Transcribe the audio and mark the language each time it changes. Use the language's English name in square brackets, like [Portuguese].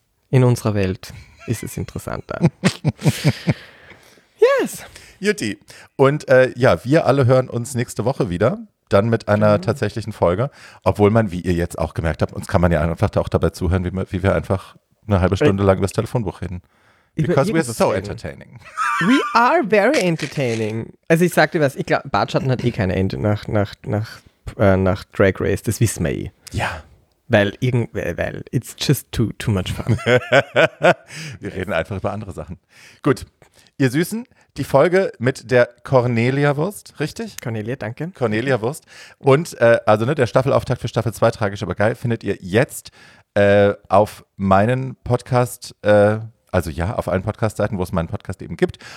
[German] In unserer Welt ist es interessanter. [English] Yes. Jutti. [German] Und wir alle hören uns nächste Woche wieder, dann mit einer tatsächlichen Folge. Obwohl man, wie ihr jetzt auch gemerkt habt, uns kann man ja einfach da auch dabei zuhören, wie wir einfach eine halbe Stunde lang über das Telefonbuch reden. [English] Because we are so entertaining. We are very entertaining. [German] Also ich sag dir was, ich glaube, Bartschatten hat eh kein Ende nach Drag Race, das wissen wir eh. Ja. Weil [English] it's just too much fun. [German] Wir reden einfach über andere Sachen. Gut, ihr Süßen, die Folge mit der Cornelia Wurst, richtig? Cornelia, danke. Cornelia Wurst. Und der Staffelauftakt für Staffel 2, tragisch aber geil, findet ihr jetzt auf meinen Podcast, auf allen Podcast-Seiten, wo es meinen Podcast eben gibt.